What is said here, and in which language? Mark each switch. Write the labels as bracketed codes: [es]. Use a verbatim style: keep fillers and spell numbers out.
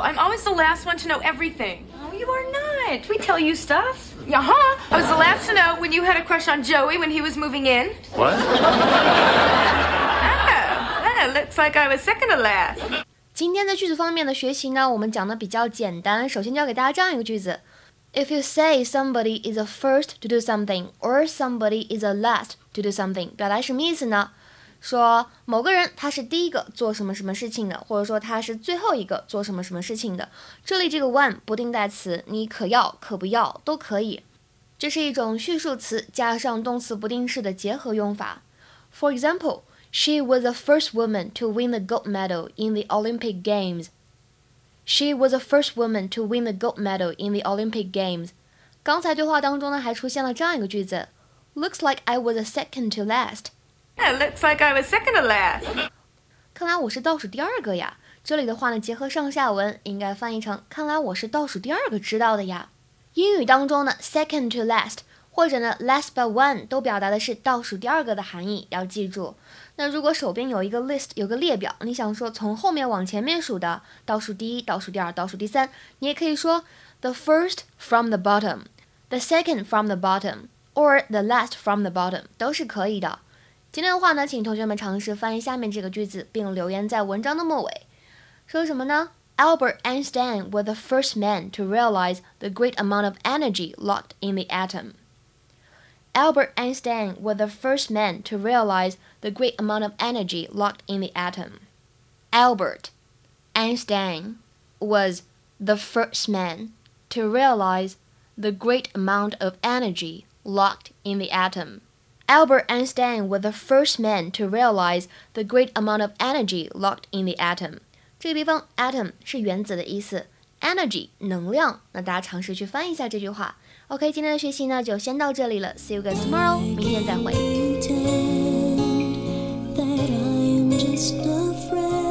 [en] I'm always the last one to know everything. No, you are not. We tell you stuff. Uh huh. I was the last to know when you had a crush on Joey when he was moving in. What? Oh, that looks like I was second to last. [zh] 今天在句子方面的学习呢，我们讲的比较简单。首先教给大家这样一个句子 [en] ：If you say somebody is the first to do something or somebody is the last to do something， [zh] 表达什么意思呢？说某个人他是第一个做什么什么事情的，或者说他是最后一个做什么什么事情的。这里这个 one 不定代词，你可要可不要都可以。这是一种序数词加上动词不定式的结合用法。 [en] For example。 She was the first woman to win the gold medal in the Olympic Games. She was the first woman to win the gold medal in the Olympic Games. [zh] 刚才对话当中呢，还出现了这样一个句子 ： [en] Looks like I was the second to last. It looks like I was second to last. [zh] 看来我是倒数第二个呀。这里的话呢，结合上下文，应该翻译成“看来我是倒数第二个知道的呀”。英语当中呢 ，second to last。或者呢 last but one 都表达的是倒数第二个的含义，要记住。那如果手边有一个 list， 有个列表，你想说从后面往前面数的，倒数第一，倒数第二，倒数第三，你也可以说 [en] the first from the bottom， [zh] the second from the bottom， or the last from the bottom， 都是可以的。今天的话呢，请同学们尝试翻译下面这个句子，并留言在文章的末尾。说什么呢？ [en] Albert Einstein was the first man to realize the great amount of energy locked in the atom. Albert Einstein was the first man to realize the great amount of energy locked in the atom. Albert Einstein was the first man to realize the great amount of energy locked in the atom. Albert Einstein was the first man to realize the great amount of energy locked in the atom. [zh] 这个地方 atom 是原子的意思 energy 能量，那大家尝试去翻译一下这句话。 OK， 今天的学习呢就先到这里了 ， [en] See you guys tomorrow， [zh] 明天再会。